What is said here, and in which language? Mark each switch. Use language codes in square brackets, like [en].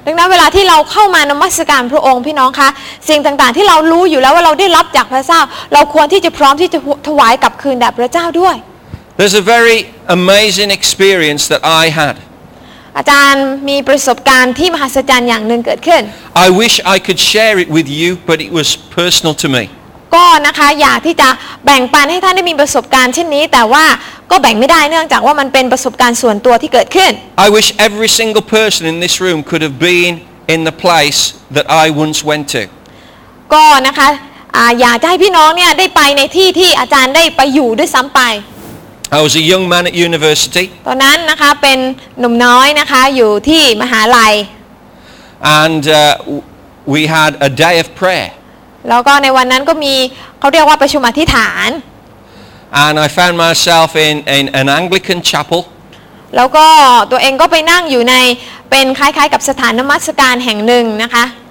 [th] ดังนั้นเวลาที่เราเข้ามานมัสการพระองค์พี่น้องคะสิ่งต่างๆที่เรารู้อยู่แล้วว่าเราได้รับจากพระเจ้าเราควรที่จะพร้อมที่จะถวายกลับคืนแด่พระเจ้าด้วย [en] There's a very amazing experience that I had. [th] อาจารย์มีประสบการณ์ที่มหัศจรรย์อย่างนึงเกิดขึ้น [en] I wish I could share it with you, but it was personal to me. [th] ก็นะคะอยากที่จะแบ่งปันให้ท่านได้มีประสบการณ์เช่นนี้แต่ว่าก็แบ่งไม่ได้เนื่องจากว่ามันเป็นประสบการณ์ส่วนตัวที่เกิดขึ้น [en] I wish every single person in this room could have been in the place that I once went to. [th] ก็นะคะอยากจะให้พี่น้องเนี่ยได้ไปในที่ที่อาจารย์ได้ไปอยู่ด้วยซ้ำไป [en] I was a young man at university. [th] ตอนนั้นนะคะเป็นหนุ่มน้อยนะคะอยู่ที่มหาลัย [en] And we had a day of prayer. [th] แล้วก็ในวันนั้นก็มีเขาเรียกว่าประชุมอธิษฐาน [en] And I found myself in an Anglican chapel. [th] แล้วก็ตัวเองก็ไปนั่งอยู่ในเป็นคล้ายๆกับสถานนมัสการแห่งหนึ่งนะคะ